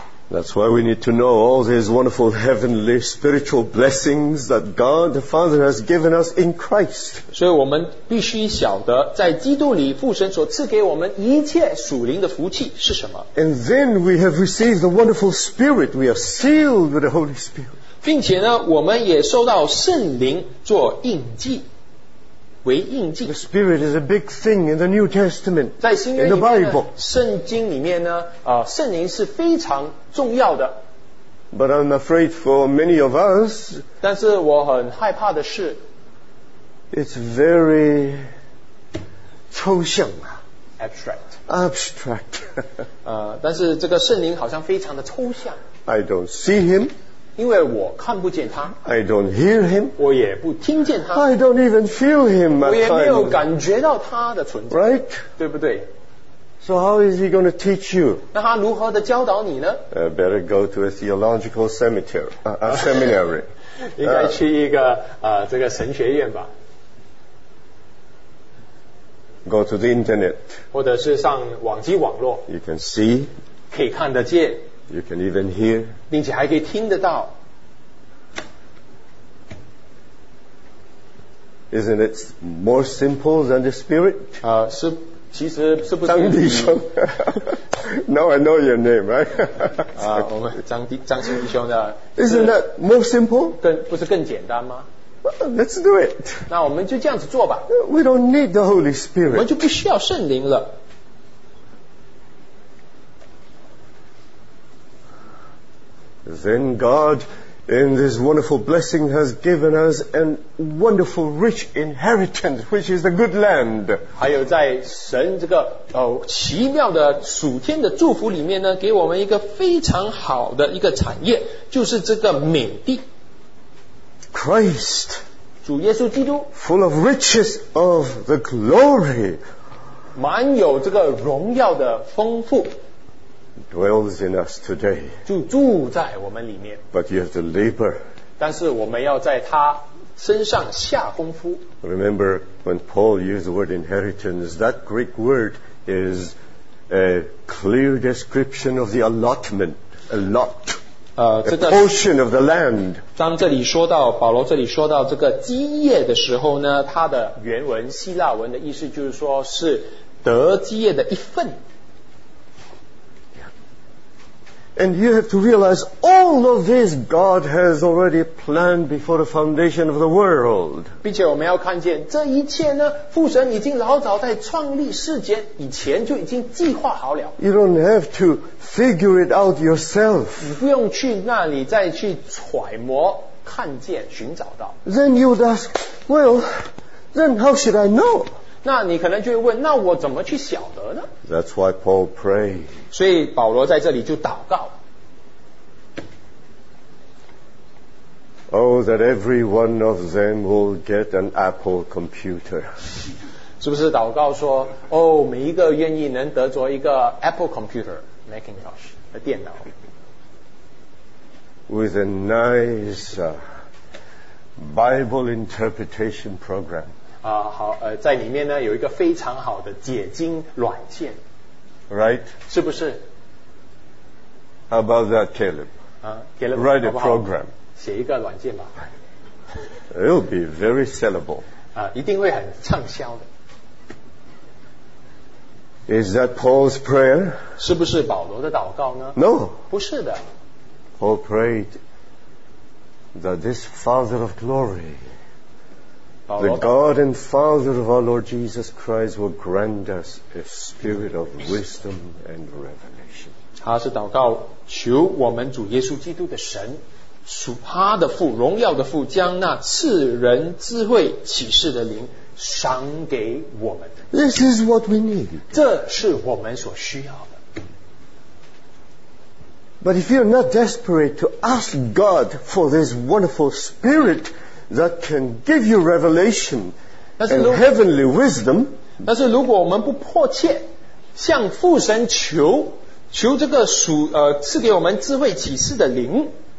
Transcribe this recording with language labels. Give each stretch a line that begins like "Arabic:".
English: That's why we need to know all these wonderful heavenly spiritual blessings that God the Father has given us in Christ.
Chinese: 所以我们必须晓得在基督里父神所赐给我们一切属灵的福气是什么。
English: And then we have received the wonderful Spirit. We are sealed with the Holy Spirit.
Chinese: 并且呢我们也受到圣灵做印记。为印记。
English: The Spirit is a big thing in the New Testament.
Chinese: 在新约里面呢，圣经里面呢，圣灵是非常重要的。
English: But I'm afraid for many of us.
Chinese: 但是我很害怕的是
English: ，It's very
Chinese: 抽象啊
English: ，abstract。 abstract 。
Chinese: 但是这个圣灵好像非常的抽象。
English: I don't see him.
Chinese: 因为我看不见他
English: I don't hear him
Chinese: 我也不听见他
English: I don't even feel him
Chinese: 我也没有感觉到他的存在
English: Right
Chinese: 对不对
English: So how is he going to teach you
Chinese: 那他如何的教导你呢
English: Better go to a theological cemetery a seminary
Chinese: 应该去一个这个神学院吧
English: Go to the internet
Chinese: 或者是上网际网络
English: You can see
Chinese: 可以看得见
English: You can even hear.
Chinese: 并且还可以听得到。
English: Isn't it more simple than the Spirit?
Chinese: 是其实是不是
English: 张弟兄 ？Now I know your name, right?
Chinese: 我们张新弟兄的。
English: Isn't that more simple?
Chinese: 不是更简单吗？
English: Well, let's do it.
Chinese: 那我们就这样子做吧。
English: We don't need the Holy Spirit.
Chinese: 我们就不需要圣灵了。
English: Then God, in this wonderful blessing, has given us a wonderful rich inheritance, which is the good land.
Chinese: 还有在神这个奇妙的属天的祝福里面呢，给我们一个非常好的一个产业，就是这个美地。
English: Christ,
Chinese: 主耶稣基督
English: ，full of riches of the glory,
Chinese: 满有这个荣耀的丰富。
English: Dwells in us today.
Chinese: 就住在我们里面。
English: But you have to labor.
Chinese: 但是我们要在他身上下功夫。
English: Remember when Paul used the word inheritance, that Greek word is a clear description of the allotment, a lot, a portion of the land.
Chinese: 当这里说到保罗这里说到这个基业的时候呢，它的原文希腊文的意思就是说是得基业的一份。
English: And you have to realize all of this God has already planned before the foundation of the world.
Chinese: 并且我们要看见这一切呢，父神已经老早在创立世间以前就已经计划好了。
English: You don't have to figure it out yourself.
Chinese: 你不用去那里再去揣摩、看见、寻找到。
English: Then you would ask, well, then how should I know?
Chinese: 那你可能就会问，那我怎么去晓得呢？
English: That's why Paul prayed.
Chinese: 所以保罗在这里就祷告。
English: Oh, that every one of them will get an Apple computer.
Chinese: 是不是祷告说，哦，每一个愿意能得着一个 Apple computer, Macintosh, 的电脑。
English: With a nice, Bible interpretation program.
Chinese: 啊，好，在里面呢，有一个非常好的解经软件。
English: Right?
Chinese: 是不是？
English: How about that, Caleb?
Chinese: 啊，Caleb,
English: write a program.
Chinese: 好不好？写一个软件吧。
English: It will be very sellable.
Chinese: 啊，一定会很畅销的。
English: Is that Paul's prayer?
Chinese: 是不是保罗的祷告呢？
English: No.
Chinese: 不是的。
English: Paul prayed that this Father of glory, the God and Father of our Lord Jesus Christ, will grant us a spirit of wisdom and revelation.
Chinese: 他是祷告，求我们主耶稣基督的神，属他的父，荣耀的父，将那赐人智慧启示的灵赏给我们。
English: This is what we need.
Chinese: 这是我们所需要的。
English: But if you're not desperate to ask God for this wonderful spirit that can give you revelation and heavenly wisdom,
Chinese: 但是如果我们不迫切向父神求，求这个属赐给我们智慧启示的灵